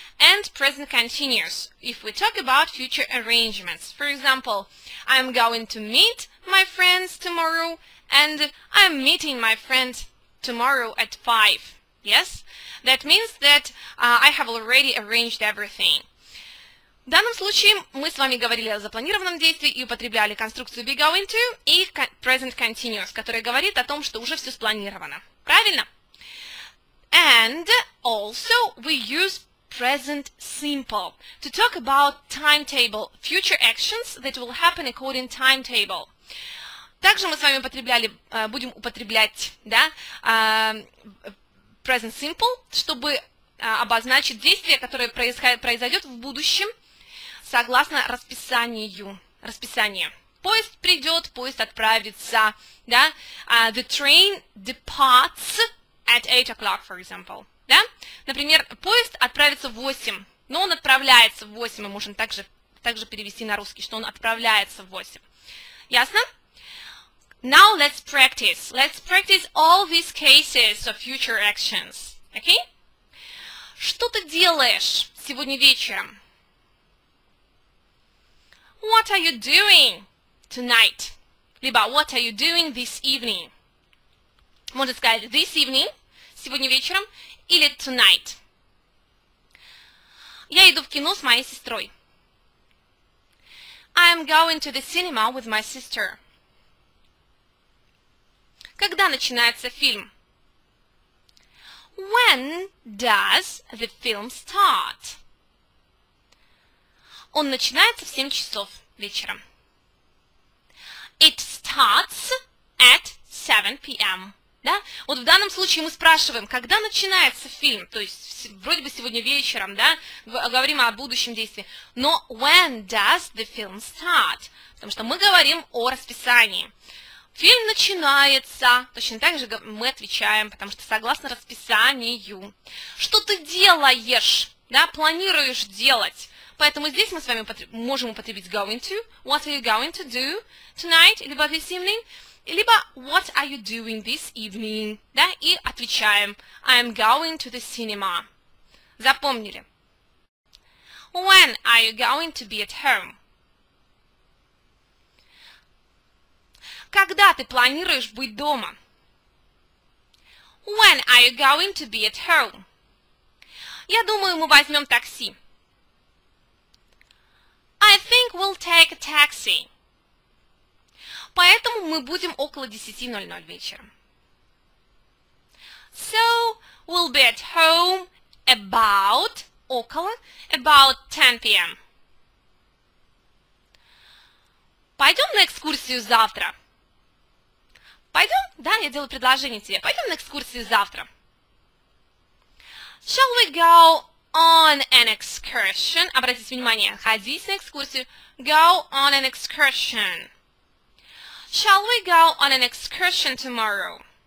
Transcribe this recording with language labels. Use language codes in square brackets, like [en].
[en] And present continuous, if we talk about future arrangements. For example, I'm going to meet my friends tomorrow, and I'm meeting my friends tomorrow at 5. Yes? That means that I have already arranged everything. [ru] В данном случае мы с вами говорили о запланированном действии и употребляли конструкцию be going to и present continuous, которая говорит о том, что уже все спланировано. Правильно? [en] And also we use present simple to talk about timetable, future actions that will happen according to timetable. [ru] Также мы с вами будем употреблять present simple, чтобы обозначить действие, которое произойдет в будущем. Согласно расписанию. Поезд придет, поезд отправится, да? [en] The train departs at 8 o'clock, for example, [ru] да? Например, поезд отправится в 8, но он отправляется в 8, мы можем также перевести на русский, что он отправляется в 8. Ясно? [en] Now let's practice. Let's practice all these cases of future actions. Okay? [ru] Что ты делаешь сегодня вечером? [en] What are you doing tonight? [ru] Либо, [en] what are you doing this evening? [ru] Можно сказать, [en] this evening, [ru] сегодня вечером, или [en] tonight. [ru] Я иду в кино с моей сестрой. [en] I am going to the cinema with my sister. [ru] Когда начинается фильм? [en] When does the film start? [ru] Он начинается в 7 часов. Вечером. [en] It starts at 7 p.m. [ru] Да? Вот в данном случае мы спрашиваем, когда начинается фильм? То есть, вроде бы сегодня вечером, да? Говорим о будущем действии. Но [en] when does the film start? [ru] Потому что мы говорим о расписании. Фильм начинается. Точно так же мы отвечаем, потому что согласно расписанию. Что ты делаешь? Да? Планируешь делать? Поэтому здесь мы с вами можем употребить going to, [en] what are you going to do tonight, [ru] либо [en] this evening, [ru] либо [en] what are you doing this evening, [ru] да, и отвечаем, [en] I am going to the cinema. [ru] Запомнили. [en] When are you going to be at home? [ru] Когда ты планируешь быть дома? [en] When are you going to be at home? [ru] Я думаю, мы возьмем такси. [en] I think we'll take a taxi. [ru] Поэтому мы будем около 10:00 вечером. [en] So, we'll be at home about 10 p.m. [ru] Пойдем на экскурсию завтра. Пойдем? Да, я делаю предложение тебе. Пойдем на экскурсию завтра. [en] Shall we go on an excursion? [ru] Обратите внимание, ходить на экскурсию. [en] Go on an excursion. Shall we go on an excursion tomorrow?